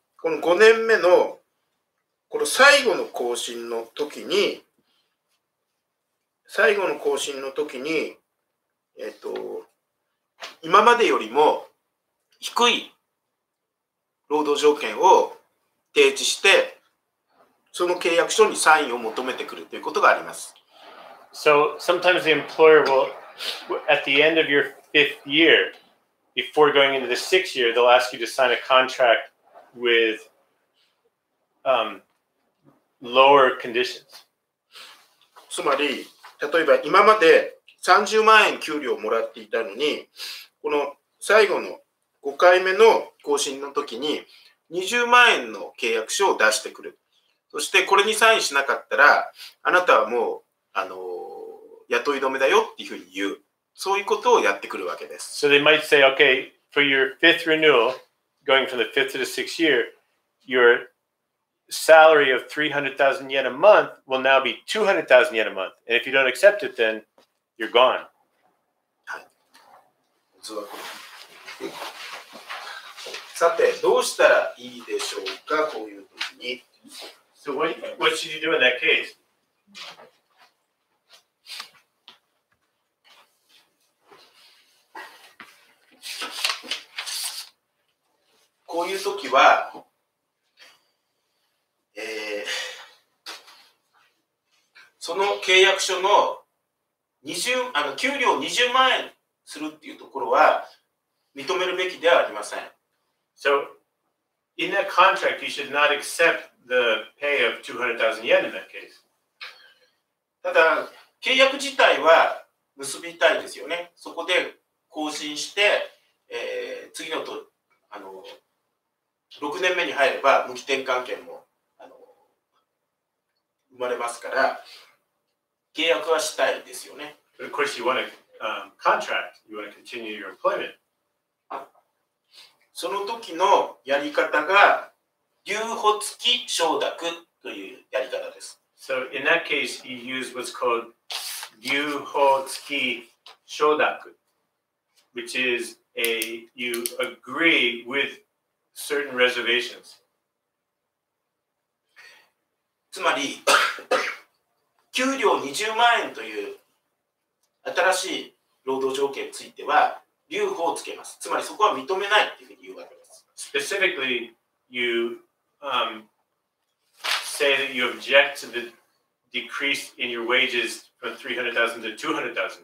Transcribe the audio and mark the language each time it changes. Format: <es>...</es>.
<ja>この5年目の、この最後の更新の時に、最後の更新の時に、今までよりも低い労働条件を提示して、その契約書にサインを求めてくるということがあります。</ja> <en>So, sometimes the employer will, at the end of your fifth year,Before going into the sixth year, they'll ask you to sign a contract with lower conditions.</en> <ja>つまり、例えば今まで30万円給料をもらっていたのに、この最後の5回目の更新の時に20万円の契約書を出してくる。そしてこれにサインしなかったら、あなたはもう雇い止めだよっていうふうに言う。そういうことをやってくるわけです。</ja> <en>So they might say, okay, for your fifth renewal, going from the fifth to the sixth year, your salary of 300,000 yen a month will now be 200,000 yen a month. And if you don't accept it, then you're gone.</en> <ja>はい。さて、どうしたらいいでしょうか、こういうときに。</ja> <en>So what should you do in that case?</en> <ja>こういうときは、その契約書 の, 20あの給料20万円するっていうところは認めるべきではありません。</ja> <en>So, in that contract, you should not accept the pay of 200,000 yen in that case.</en> <ja>ただ、契約自体は結びたいですよね。そこで更新して、次のと、6年目に入れば無期転換権も生まれますから契約はしたいですよね。</ja> <en>But of course you want a contract. You want to continue your employment.</en> <ja>その時のやり方が留保付き承諾というやり方です。</ja> <en>So in that case you use what's called 留保付き承諾 which is you agree with certain reservations.</en> <ja>つまり給料20万円という新しい労働条件については留保をつけます。つまりそこは認めないというふうに言うわけです。</ja> <en>Specifically you、say that you object to the decrease in your wages from 300,000 to 200,000 yen.</en>